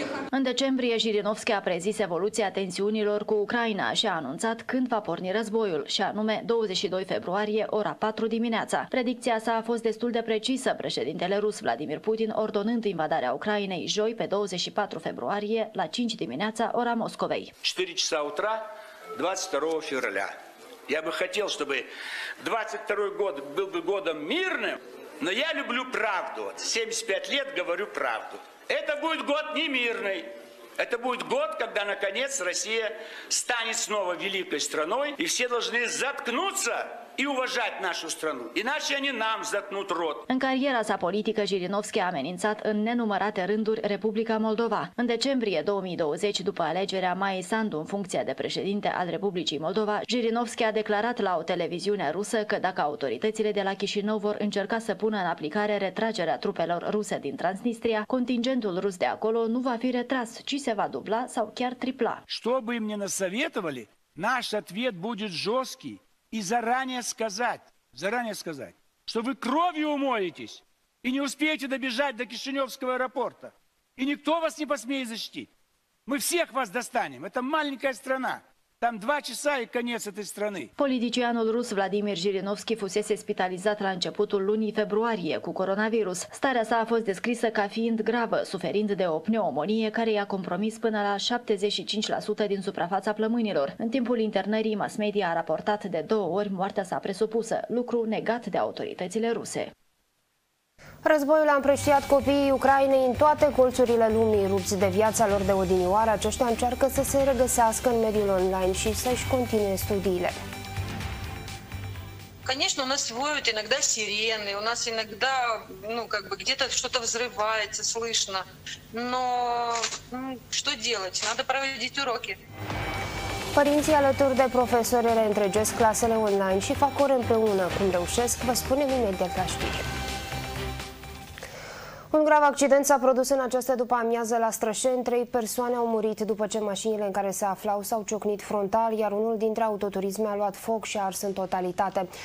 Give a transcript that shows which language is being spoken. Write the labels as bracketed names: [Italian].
[Romanian] În decembrie, Jirinovski a prezis evoluția tensiunilor cu Ucraina și a anunțat când va porni războiul, și anume 22 februarie, ora 4 dimineața. Predicția sa a fost destul de precisă, președintele rus Vladimir Putin ordonând invadarea Ucrainei joi pe 24 februarie, la 5 dimineața, ora Moscovei. [Russian] 4 часа утра, 22 февраля. Я бы хотел, чтобы 22 год был бы годом мирным. Но я люблю правду. 75 лет говорю правду. Это будет год немирный. Это будет год, когда наконец Россия станет снова великой страной, и все должны заткнуться и уважать нашу страну. Иначе они нам заткнут рот. [Romanian] În cariera sa politică, Jirinovski a amenințat în nenumărate rânduri Republica Moldova. În decembrie 2020, după alegerea Maiei Sandu în funcția de președinte al Republicii Moldova, Jirinovski a declarat la o televiziune rusă că dacă autoritățile de la Chișinău vor încerca să pună în aplicare retragerea trupelor ruse din Transnistria, contingentul rus de acolo nu va fi retras, ci se va dubla sau chiar tripla. [Ukrainian] Що би мені насоветували? [Russian] Наш ответ будет жесткий. И заранее сказать, что вы кровью умоетесь и не успеете добежать до Кишиневского аэропорта. И никто вас не посмеет защитить. Мы всех вас достанем. Это маленькая страна. Там 2 часа и конец этой страны. [Romanian] Politicianul rus Vladimir Jirinovski fusese spitalizat la începutul lunii februarie cu coronavirus. Starea sa a fost descrisă ca fiind gravă, suferind de o pneumonie care i-a compromis până la 75% din suprafața plămânilor. În timpul internării, mass media a raportat de 2 ori moartea sa presupusă, lucru negat de autoritățile ruse. Războiul a împrăștiat copiii Ucrainei în toate colțurile lumii. Rupți de viața lor de odinioară, aceștia încearcă să se regăsească în mediul online și să-și continue studiile. [Russian] Конечно, у нас воют иногда сирены, у нас иногда, ну, как бы где-то что-то взрывается, слышно. Но, что делать? Надо проводить уроки. [Romanian] Părinții alături de profesori reîntregesc clasele online și fac ore împreună. Cum reușesc, vă spunem imediat la știri. Un grav accident s-a produs în această după-amiază la Strășeni. 3 persoane au murit după ce mașinile în care se aflau s-au ciocnit frontal, iar unul dintre autoturisme a luat foc și a ars în totalitate.